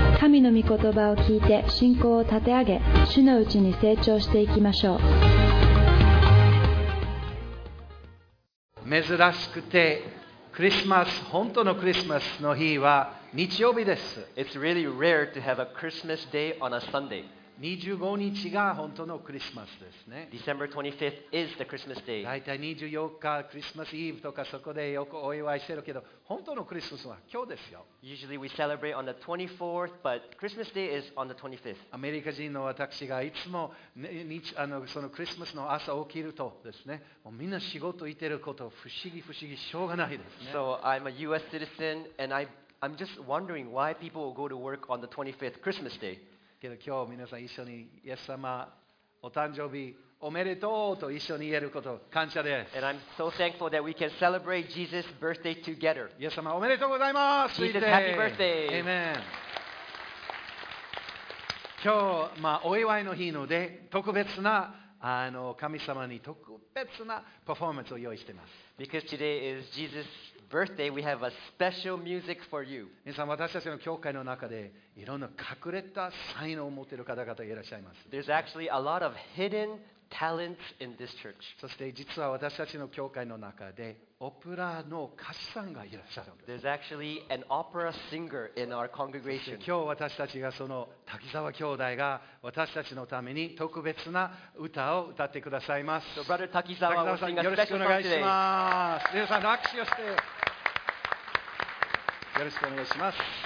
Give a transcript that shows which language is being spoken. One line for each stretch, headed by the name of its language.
Japanese: 神の御言葉を聞いて信仰を立て上げ、主のうちに成長していきましょう。珍しくて、クリスマス、本当のクリスマスの日は日曜日です。
English: It's really rare to have a Christmas day on a Sunday.
Japanese: 25日が本当のクリスマスですね。
English: December 25th is the Christmas day.
Japanese: 大体24日、クリスマスイーブとかそこでよくお祝いしてるけど、本当のクリスマスは今日ですよ。
English: Usually we celebrate on the 24th, but Christmas day is on the 25th.
Japanese: アメリカ人の私がいつも、ね、そのクリスマスの朝起きるとですね、もうみんな仕事行ってること、不思議不思議しょうがないですね。
English: So I'm a US citizen and I'm just wondering why people will go to work on the 25th, Christmas day.
Japanese: けど今日皆さん一緒にイエス様お誕生日おめでとうと一緒に言えること感謝です。
English: And I'm so thankful that we can celebrate Jesus' birthday together.
Japanese: イエス様おめでとうございます。
English: Jesus, happy birthday. Amen.
Japanese: 今日、まあ、お祝いの日ので特別な神様に特別なパフォーマンスを用意しています。
English: Because today is Jesus' birthday, we have a special music for you.
Japanese: 皆さん、私たちの教会の中でいろんな隠れた才能を持っている方々がいらっしゃいます。
English: There's actually a lot of hidden talents in this church.
Japanese: そして実は私たちの教会の中でオペラの歌手さんがいらっしゃるんです。
English: There's actually an opera singer in our congregation.
Japanese: 今日私たちがその滝沢兄弟が私たちのために特別な歌を歌ってくださいます。
English: So、Brother 滝沢
Japanese: さん、よろしくお願いします。皆さん、握手をして。よろしくお願いします。